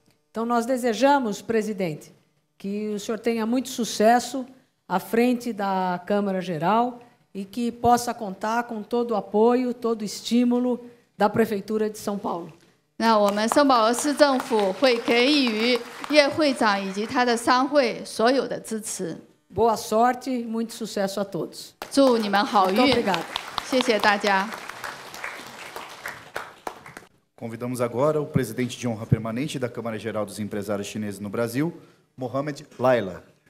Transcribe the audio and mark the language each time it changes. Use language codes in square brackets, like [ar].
[pt] Então nós desejamos, presidente, que o senhor tenha muito sucesso à frente da Câmara Geral e que possa contar com todo o apoio, todo o estímulo da Prefeitura de São Paulo. [zh] 那我们圣保罗市政府会给予叶会长以及他的商会所有的支持。 [pt] Boa sorte e muito sucesso a todos. [zh] 祝你们好运。 [pt] Muito obrigada. [zh] 谢谢大家。 [pt] Convidamos agora o presidente de honra permanente da Câmara Geral dos Empresários Chineses no Brasil, Mohamed Laila.